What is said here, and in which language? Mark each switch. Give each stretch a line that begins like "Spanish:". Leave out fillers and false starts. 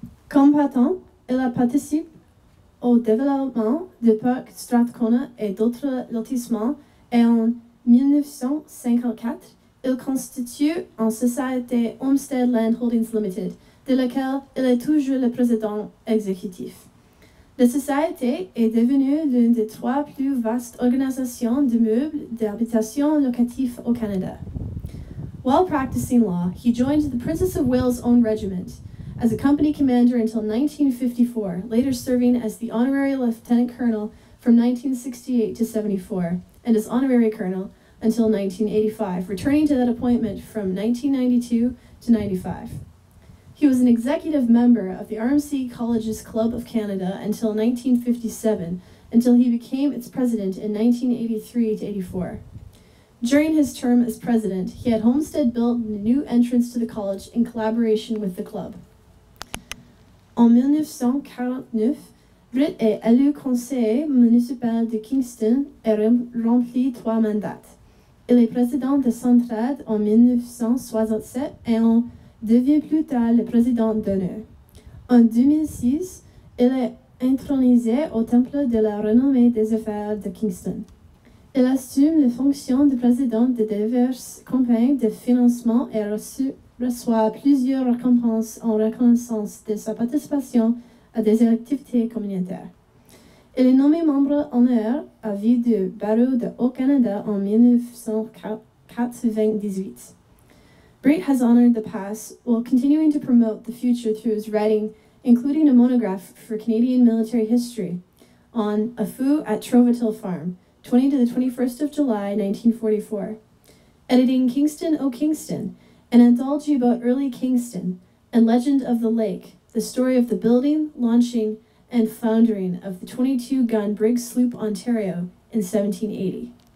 French: Combattant, il a participé au développement du parc Strathcona et d'autres lotissements, et en 1954, il constitue en société Homestead Land Holdings Limited, de laquelle il est toujours le président exécutif. La société est devenue l'une des 3 plus vastes organisations de meubles d'habitation locatif au Canada.
English: While practicing law, he joined the Princess of Wales' own regiment as a company commander until 1954, later serving as the honorary lieutenant colonel from 1968 to 74, and as honorary colonel until 1985, returning to that appointment from 1992 to 95. He was an executive member of the RMC Colleges Club of Canada until 1957, until he became its president in 1983 to 84. During his term as president, he had Homestead built a new entrance to the college in collaboration with the club.
French: En 1949, Britt est élu conseiller municipal de Kingston et remplit 3 mandats. Il est président de Centrade en 1967 et en devient plus tard le président d'honneur. En 2006, il est intronisé au Temple de la renommée des affaires de Kingston. Il assume les fonctions de président de diverses campagnes de financement et reçoit plusieurs récompenses en reconnaissance de sa participation à des activités communautaires. Il est nommé membre honneur à vie du Barreau de Haut-Canada en 1998.
English: Brit has honored the past while continuing to promote the future through his writing, including a monograph for Canadian military history on A Foo at Trovatil Farm, 20 to the 21st of July, 1944, editing Kingston O' Kingston, an anthology about early Kingston, and Legend of the Lake, the story of the building, launching, and foundering of the 22-gun brig sloop Ontario in 1780.